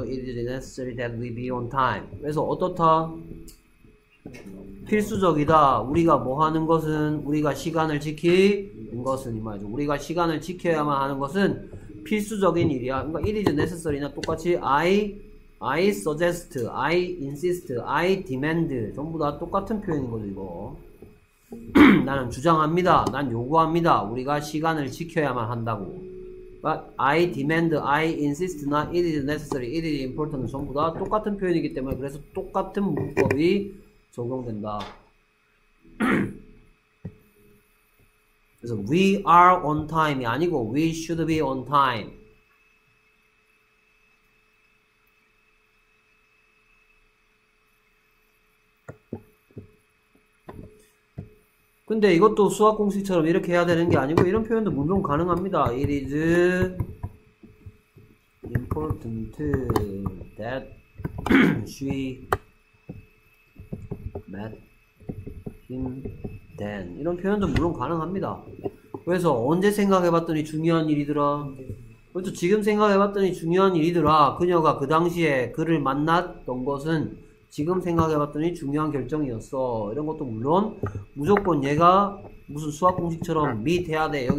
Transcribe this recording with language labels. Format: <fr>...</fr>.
<en>It is necessary that we be on time.</en> <ko>그래서 어떻다? 필수적이다. 우리가 뭐 하는 것은 우리가 시간을 지키는 것은 이 말이죠. 우리가 시간을 지켜야만 하는 것은 필수적인 일이야. 그러니까</ko> <en>it is necessary</en> <ko>나 똑같이</ko> <en>I suggest, I insist, I demand</en> <ko>전부 다 똑같은 표현인 거죠, 이거. 나는 주장합니다. 난 요구합니다. 우리가 시간을 지켜야만 한다고.</ko> <en>But I demand, I insist</en> <ko>나</ko> <en>it is necessary, it is important</en> <ko>전부 다 똑같은 표현이기 때문에 그래서 똑같은 문법이 적용된다. 그래서</ko> <en>we are on time이 아니고 we should be on time.</en> <ko>근데 이것도 수학 공식처럼 이렇게 해야 되는 게 아니고 이런 표현도 문종 가능합니다.</ko> <en>It is important that she met him then.</en> <ko>이런 표현도 물론 가능합니다. 그래서 언제 생각해봤더니 중요한 일이더라. 그렇죠. 지금 생각해봤더니 중요한 일이더라. 그녀가 그 당시에 그를 만났던 것은 지금 생각해봤더니 중요한 결정이었어. 이런 것도 물론 무조건 얘가 무슨 수학 공식처럼 meet 해야 돼.</ko>